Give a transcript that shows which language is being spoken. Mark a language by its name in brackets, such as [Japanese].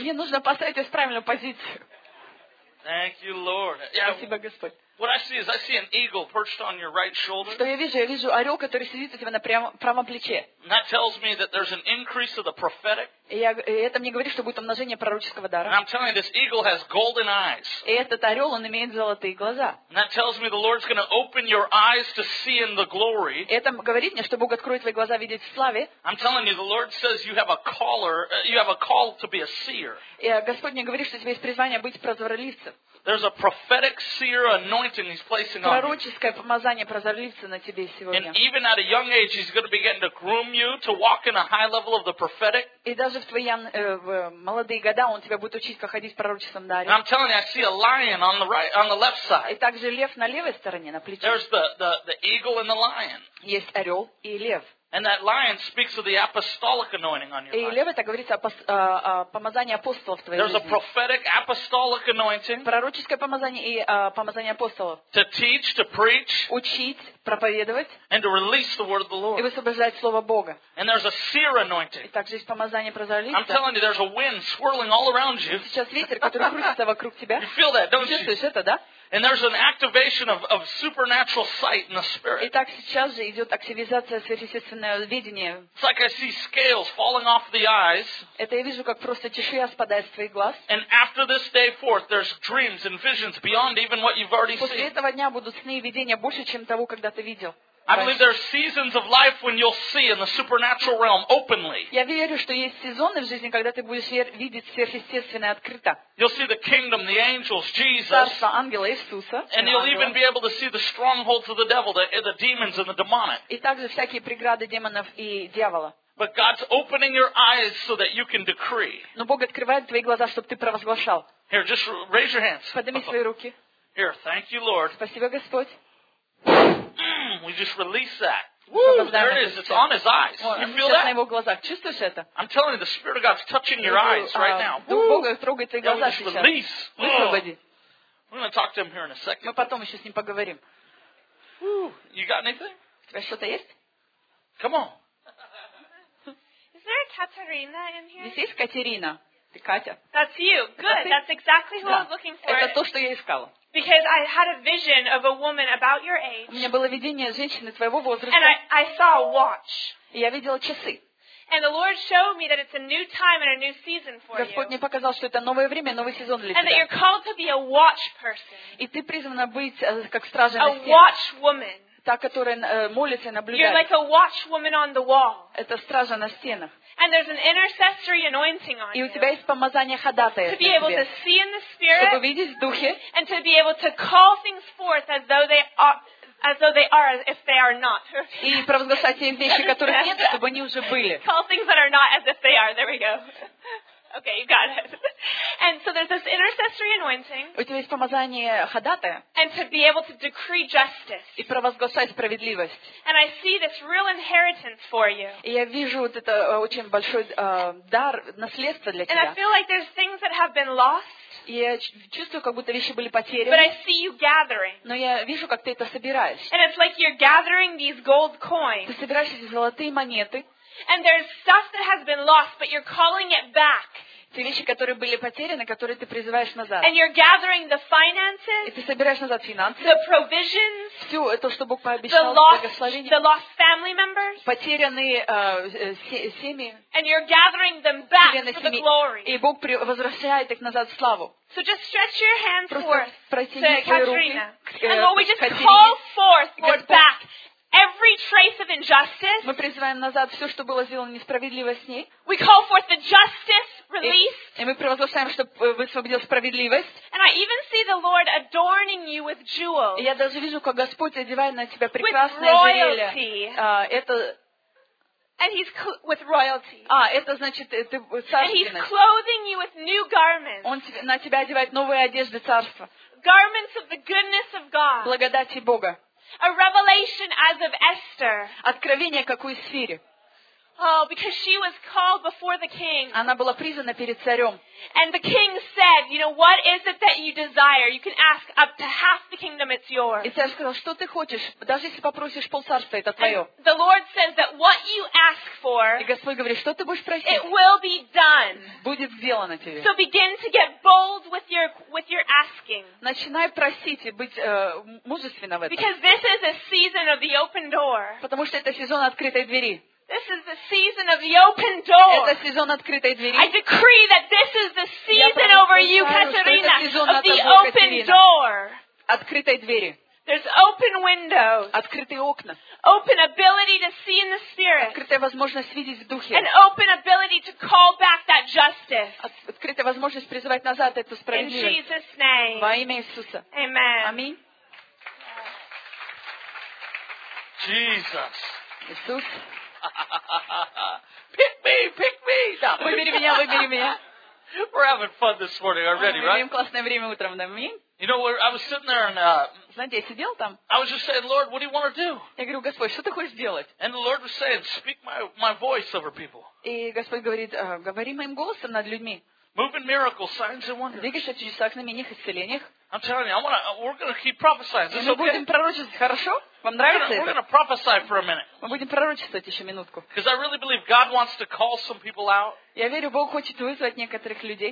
[Russian] Мне нужно поставить вас в правильную позицию. [English] Thank you, Lord. [Russian] Yeah, спасибо, Господь. [English] What I see an eagle perched on your right shoulder. [Russian] Что я вижу? Я вижу орел, который сидит у тебя на правом плече. [English] And that tells me that there's an increase of the prophetic. [Russian] Это мне говорит, что будет умножение пророческого дара. [English] And I'm telling you, this eagle has golden eyes. [Russian] И этот орел, он имеет золотые глаза. [English] And that tells me the Lord's going to open your eyes to see in the glory. [Russian] Это говорит мне, что Бог откроет твои глаза видеть в славе. [English] I'm telling you, the Lord says you have a caller, you have a call to be a seer. [Russian] Господь мне говорит, что у тебя есть призвание быть прозорливцем. [English] There's a prophetic seer anointing he's placing on you. [Russian] Пророческое помазание прозорливца на тебе сегодня. [English] And even at a young age, he's going to begin to groom you to walk in a high level of the prophetic. [Russian] И даже в твои молодые года он тебя будет учить, как ходить в пророческом даре. [English] And I'm telling you, I see a lion on the right, on the left side. [Russian] И также лев на левой стороне, на плече. [English] There's the eagle and the lion. [Russian] Есть орел и лев. [English] And that lion speaks of the apostolic anointing on your life. [Russian] И лев это говорит о помазании апостолов в твоей [English] There's [Russian] жизни. [English] A prophetic apostolic anointing. [Russian] Пророческое помазание и помазание апостолов. [English] To teach, to preach. [Russian] Учить, проповедовать. [English] And to release the word of the Lord. [Russian] И высвобождать слово Бога. [English] And there's a seer anointing. [Russian] И также есть помазание прозорливца. [English] I'm telling you, there's a wind swirling all around you. [Russian] Сейчас ветер, который крутится вокруг тебя. [English] You feel that, don't you? [Russian] Чувствуешь это, да? [English] And there's an activation of supernatural sight in the spirit. [Russian] Итак, сейчас же идет активизация сверхъестественного видения. [English] It's like I see scales falling off the eyes. [Russian] Это я вижу, как просто чешуя спадает с твоих глаз. [English] And after this day forth, there's dreams and visions beyond even what you've already [Russian] После [English] seen. [Russian] После этого дня будут сны и видения больше, чем того, когда ты видел. [English] I believe there are seasons of life when you'll see in the supernatural realm openly. [Russian] Я верю, что есть сезоны в жизни, когда ты будешь видеть сверхъестественное открыто. [English] You'll see the kingdom, the angels, Jesus. [Russian] Царство, ангелы, Иисуса. [English] And you'll even be able to see the strongholds of the devil, the demons and the demonic. [Russian] И также всякие преграды демонов и дьявола. [English] But God's opening your eyes so that you can decree. [Russian] Но Бог открывает твои глаза, чтобы ты провозглашал. [English] Here, just raise your hands. [Russian] Подними свои руки. [English] Here, thank you, Lord. [Russian] Спасибо, Господь. [English] We just release that. Woo, there it is. It's on his eyes. You feel that? [Russian] На его глазах. Чувствуешь это? [English] I'm telling you, the Spirit of God is touching your eyes right now. [Russian] Дух Бога трогает твои глаза сейчас. [English] Yeah, we just release. [Russian] Высвободи. [English] We're going to talk to him here in a second. [Russian] Мы потом еще с ним поговорим. [English] You got anything? [Russian] У тебя что-то есть? [English] Come on. Is there a Katarina in here? [Russian] Здесь есть Катерина. Ты Катя? [English] That's you. Good. That's exactly who I was looking for. [Russian] Это то, что я искала. [English] Because I had a vision of a woman about your age. [Russian] У меня было видение женщины твоего возраста. [English] And I saw a watch. [Russian] И я видела часы. [English] And the Lord showed me that it's a new time and a new season for you. [Russian] Господь мне показал, что это новое время, новый сезон для тебя. [English] And that you're called to be a watch person. [Russian] И ты призвана быть как стража на стене. [English] A watch woman. [Russian] Та, которая молится и наблюдает. [English] You're like a watch woman on the wall. [Russian] Это стража на стенах. [English] And there's an intercessory anointing on you. [Russian] И у тебя есть помазание ходатая. [English] To be able to see in the spirit. [Russian] Чтобы видеть в духе. [English] And to be able to call things forth as though they are if they are not. [Russian] И провозглашать те вещи, которых нет, чтобы они уже были. [English] Call things that are not as if they are. There we go. Okay, you got it. And so there's this intercessory anointing. [Russian] У тебя есть помазание ходатая. [English] And to be able to decree justice. [Russian] И провозглашать справедливость. [English] And I see this real inheritance for you. [Russian] И я вижу вот это очень большой дар, наследство для тебя. [English] And I feel like there's things that have been lost. [Russian] Я чувствую, как будто вещи были потеряны. [English] But I see you gathering. [Russian] Но я вижу, как ты это собираешь. [English] And it's like you're gathering these gold coins. [Russian] Ты собираешь эти золотые монеты. [English] And there's stuff that has been lost, but you're calling it back. [Russian] Те вещи, которые были потеряны, которые ты призываешь назад. [English] And you're gathering the finances. [Russian] И ты собираешь назад финансы. [English] The provisions. [Russian] Все это, что Бог пообещал, благословение. [English] The lost family members. [Russian] Потерянные семьи. [English] And you're gathering them back for the glory. [Russian] И Бог возвращает их назад в славу. [English] So just stretch your hands [Russian] Просто [English] forth to Katrina. And Lord, we just call forth, Lord, back. Every trace of injustice. [Russian] Мы призываем назад все, что было сделано несправедливо с ней. [English] We call forth the justice release. [Russian] И мы провозглашаем, что высвободил справедливость. [English] And I even see the Lord adorning you with jewels. [Russian] И я даже вижу, как Господь одевает на тебя прекрасное ожерелье. [English] With royalty. [Russian] Это [English] And he's with royalty. [Russian] Это значит ты царственный. [English] And he's clothing you with new garments. [Russian] Он на тебя одевает новые одежды царства. [English] Garments of the goodness of God. [Russian] Благодати Бога. [English] A revelation as of Esther. [Russian] Откровение как у Эсфири. [English] Oh, because she was called before the king. [Russian] Она была призвана перед царем. [English] And the king said, you know, what is it that you desire? You can ask up to half the kingdom, it's yours. [Russian] И царь сказал, что ты хочешь? Даже если попросишь полцарства, это твое. [English] And the Lord says that what you ask for. [Russian] И Господь говорит, что ты будешь просить? [English] It will be done. [Russian] Будет сделано тебе. [English] So begin to get bold with your asking. [Russian] Начинай просить и быть мужественна в этом. [English] Because this is a season of the open door. [Russian] Потому что это сезон открытой двери. [English] This is the season of the open door. [Russian] Это сезон открытой двери. [English] I decree that this is the season over you, Катерина, of the open door. [Russian] Открытой двери. [English] There's open windows. [Russian] Открытые окна. [English] Open ability to see in the spirit. [Russian] Открытая возможность видеть в духе. [English] And open ability to call back that justice. [Russian] Открытая возможность призывать назад эту справедливость. [English] In Jesus' name. [Russian] Во имя Иисуса. [English] Amen. [Russian] Аминь. [English] Jesus. [Russian] Иисус. [English] Pick me, pick me. [Russian] Да, выбери меня, выбери меня. [English] We're having fun this morning already, right? [Russian] Мы имеем классное время утром, да? [English] You know, I was sitting there and [Russian] знаете, я сидел там. [English] I was just saying, Lord, what do you want to do? [Russian] Я говорю, Господь, что ты хочешь сделать? [English] And the Lord was saying, speak my voice over people. [Russian] И Господь говорит, говори моим голосом над людьми. [English] Moving miracles, signs and wonders. [Russian] Двигайся в чудесах, знамениях, исцелениях. [English] I'm telling you, we're going to keep prophesying. [Russian] Мы будем пророчествовать, хорошо? Вам нравится это? [English] We're going to prophesy for a minute. [Russian] Мы будем пророчествовать еще минутку. [English] Because I really believe God wants to call some people out. [Russian] Я верю, Бог хочет вызвать некоторых людей.